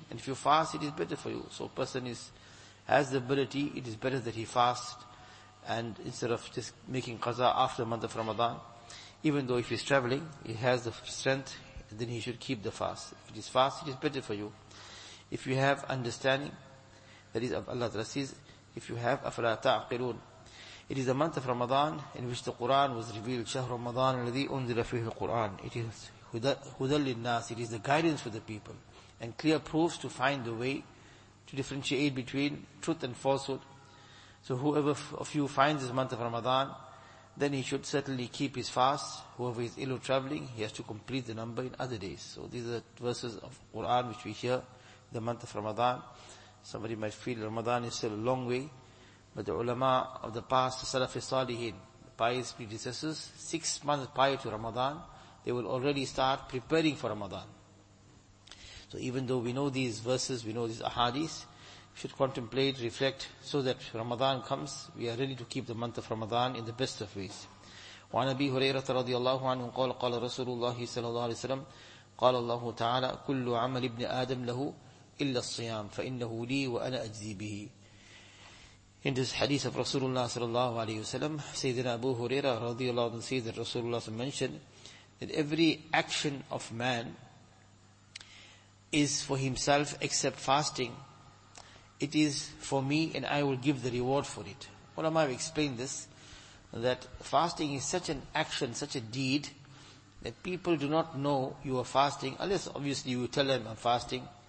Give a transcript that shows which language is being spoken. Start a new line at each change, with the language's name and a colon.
English: And if you fast, it is better for you. So a person has the ability, it is better that he fast, and instead of just making qaza after the month of Ramadan, even though if he is traveling, he has the strength, then he should keep the fast. If it is fast, it is better for you. If you have understanding, that is, Allah Ta'ala says, if you have,
Arabic: أَفَلَا تَعْقِلُونَ.
English: It is the month of Ramadan in which the Quran was revealed.
Arabic: شهر رمضان الذي أنزل فيه القرآن.
English: It is
Arabic: هدى للناس.
English: It is the guidance for the people and clear proofs to find the way to differentiate between truth and falsehood. So whoever of you finds this month of Ramadan, then he should certainly keep his fast. Whoever is ill or traveling, he has to complete the number in other days. So these are the verses of Quran which we hear the month of Ramadan. Somebody might feel Ramadan is still a long way, but the ulama of the past, the Salafi Salihin, the pious predecessors, 6 months prior to Ramadan, they will already start preparing for Ramadan. So even though we know these verses, we know these ahadith, we should contemplate, reflect, so that Ramadan comes, we are ready to keep the month of Ramadan in the best of ways.
Arabic: وعن أبي هريرة رضي الله عنه قال قال رسول الله صلى الله عليه وسلم قال الله تعالى كل عمل ابن آدم له إلا الصيام فإنه لي وأنا أجزي به.
English: In this hadith of Rasulullah sallallahu alayhi wa sallam, Sayyidina Abu Huraira radiallahu anhu says that Rasulullah mentioned that every action of man is for himself except fasting. It is for me and I will give the reward for it. Ulama have explained this, that fasting is such an action, such a deed, that people do not know you are fasting, unless obviously you tell them I'm fasting.